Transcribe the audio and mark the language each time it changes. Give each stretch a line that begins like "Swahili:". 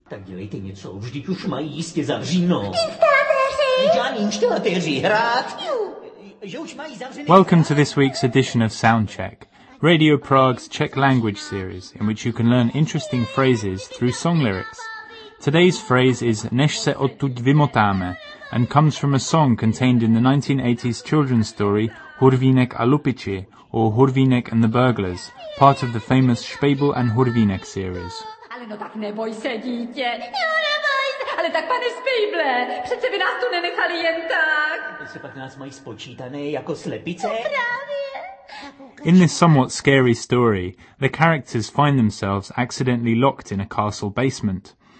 Czech: Tak dělejte něco, vždyť už mají jistě zavřeno. Instalatéři! Instalatéři hrát!
English: Welcome to this week's edition of Soundcheck, Radio Prague's Czech language series, in which you can learn interesting phrases through song lyrics. Today's phrase is
Czech: Než se odtud vymotáme,
English: and comes from a song contained in the 1980s children's story Hurvínek a Lupiči, or Hurvínek and the Burglars, part of the famous Špejbl and Hurvínek series.
Czech: Ale no tak neboj se, dítě! Jo, neboj se! Ale tak, pane Špejble, přece vy nás tu nenechali jen tak! Se pak nás mají spočítané jako slepice? No právě!
English: In this somewhat scary story, the characters find themselves accidentally locked in a castle basement.